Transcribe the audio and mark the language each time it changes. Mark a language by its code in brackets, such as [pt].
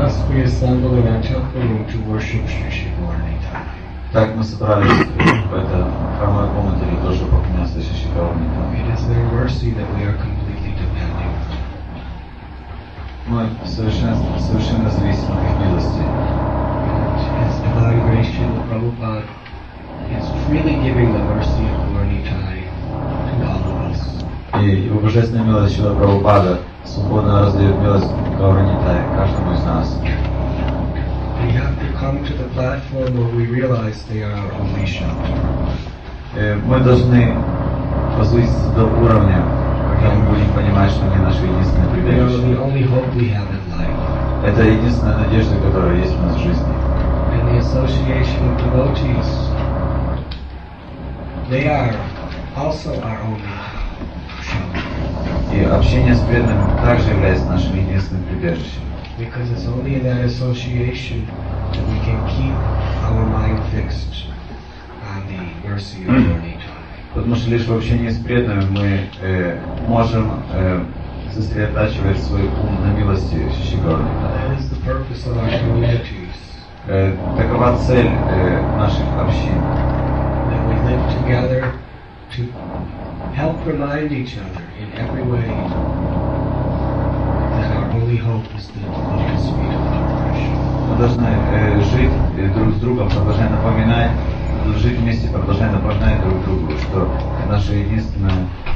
[en] We assemble in Antilpa room to worship Sri Sri Gauranitha. [ru] Так мы собрались в это храмовой комнате для того, чтобы поклоняться Sri Sri Gauranitha. [en] It is their mercy that we are completely dependent on. [ru] Мы совершенно зависимы от их милости. [en] His divine grace Srila Prabhupada is freely giving the mercy of Gauranitha to all of us. [ru] И его божественная милость Srila Prabhupada свободно раздает милость Гауранитхае каждому из нас. [en] We have to come to the platform where we realize they are our only shelter. [ru] Мы должны возвыситься до уровня, когда мы будем понимать, что они наши единственные прибежища. [en] They are the only hope we have in life. [ru] Это единственная надежда, которая есть у нас в жизни. [en] And the association of devotees, they are also our only shelter. [ru] И общение с преданными также является нашим единственным прибежищем. [en] Because it's only in that association that we can keep our mind fixed on the mercy of our nature. [ru] Потому что лишь в общении с преданными мы можем сосредотачивать свой ум на милости Шри Гауранги. [en] That is the purpose of our communities. [ru] Такова цель наших общин. [en] That we live together to help remind each other in every way that our only hope is the lotus feet of Lord Krishna. [ru] Мы должны жить друг с другом, продолжая напоминать, жить вместе, продолжая напоминать друг другу, что наша единственная